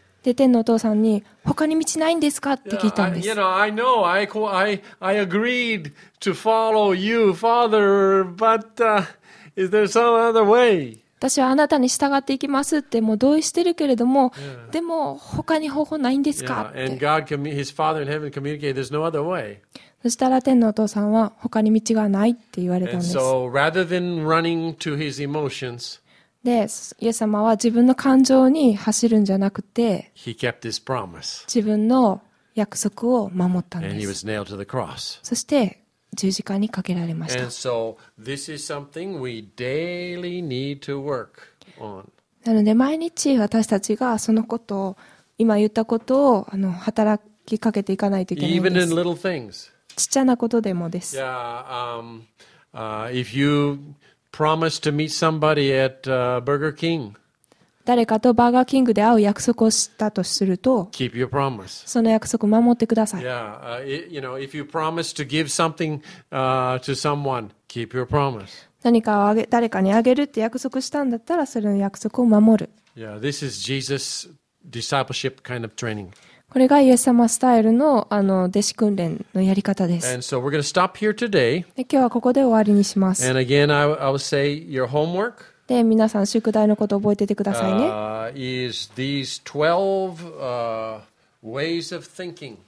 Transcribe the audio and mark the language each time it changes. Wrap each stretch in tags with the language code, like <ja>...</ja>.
<ja>で、天のお父さんに他に道ないんですかって聞いたんです。</ja> <en>You know, I know, I agreed to follow you, Father, but is there some other way?</en> <ja>私はあなたに従っていきますってもう同意してるけれども、でも他に方法ないんですかって。</ja> <en>And God, his father in heaven, communicated, "There's no other way."</en> <ja>そしたら天のお父さんは他に道がないって言われたんです。</ja> <en>So, rather than running to his emotions,</en> <ja>で、イエス様は自分の感情に走るんじゃなくて、</ja> <en>he kept his promise.</en> <ja>自分の約束を守ったんです。</ja> <en>And he was nailed to the cross.</en> <ja>そして十字架にかけられました。</ja> <en>And so, this is something we daily need to work on.</en> <ja>なので毎日私たちがそのことを今言ったことを働きかけていかないといけないんです。</ja> <en>Even in little things.</en> <ja>ちっちゃなことでもです。</ja> <en>Yeah, if you promise to meet somebody at Burger King,</en> <ja>誰かとバーガーキングで会う約束をしたとすると、</ja> <en>keep your promise.</en> <ja>その約束守ってください。</ja> <en>Yeah, you know, if you promise to give something to someone, keep your promise.</en> <ja>何かをあげ誰かにあげるって約束したんだったら、それの約束を守る。</ja> <en>Yeah, this is Jesus discipleship kind of training.</en> <ja>これがイエス様スタイル の弟子訓練のやり方です。</ja> <en>And so we're going to stop here today.</en> <ja>で、今日はここで終わりにします。</ja> <en>And again, I'll say your homework.</en> <ja>で、皆さん宿題のことを覚えててくださいね。</ja> <en>Is these 12 ways of thinking.</en>